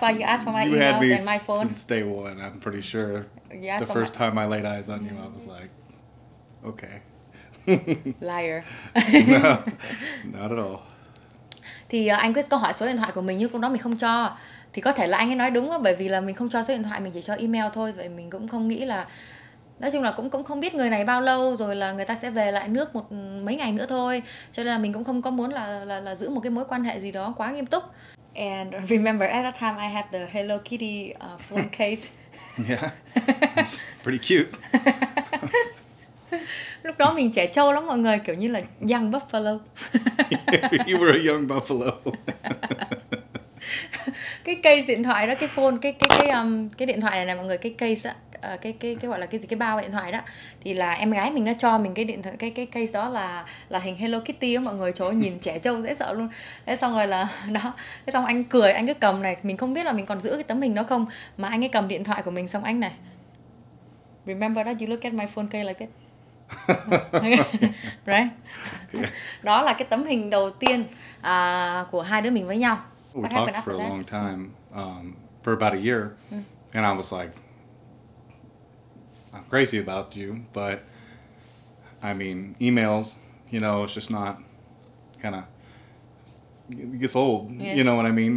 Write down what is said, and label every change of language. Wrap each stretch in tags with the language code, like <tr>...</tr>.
<en>why you asked for my emails and my phone. Since day one, I'm pretty sure. The first time I laid eyes on you, I was like, okay. Liar. No, not at all.</en> <vi>Thì anh Chris có hỏi số điện thoại của mình nhưng lúc đó mình không cho. Thì có thể là anh ấy nói đúng đó, bởi vì là mình không cho số điện thoại, mình chỉ cho email thôi. Vậy mình cũng không nghĩ là, nói chung là cũng không biết người này bao lâu, rồi là người ta sẽ về lại nước một mấy ngày nữa thôi. Cho nên là mình cũng không có muốn là giữ một cái mối quan hệ gì đó quá nghiêm túc.</vi> <en>And remember at that time I had the Hello Kitty phone case. Yeah, it's pretty cute.</en> <vi>Lúc đó mình trẻ trâu lắm mọi người, kiểu như là</vi> <en>young buffalo. You were a young buffalo.</en> <vi>Cái case điện thoại đó, cái phone, cái điện thoại này mọi người, cái case á, cái gọi là cái gì, cái bao điện thoại đó, thì là em gái mình nó cho mình cái điện thoại, cái case đó là hình Hello Kitty á mọi người, trời ơi, nhìn trẻ trâu dễ sợ luôn. Thế xong rồi là đó, thế xong anh cười, anh cứ cầm này, mình không biết là mình còn giữ cái tấm hình đó không, mà anh ấy cầm điện thoại của mình xong anh này,</vi> <en>remember that you look at my phone case like this. Right? Yeah.</en> <vi>Đó là cái tấm hình đầu tiên của hai đứa mình với nhau.</vi> <en>We talked for a long time, for about a year, and I was like, I'm crazy about you, but I mean, emails, you know, it's just not, kind of, it gets old, you know what I mean?</en>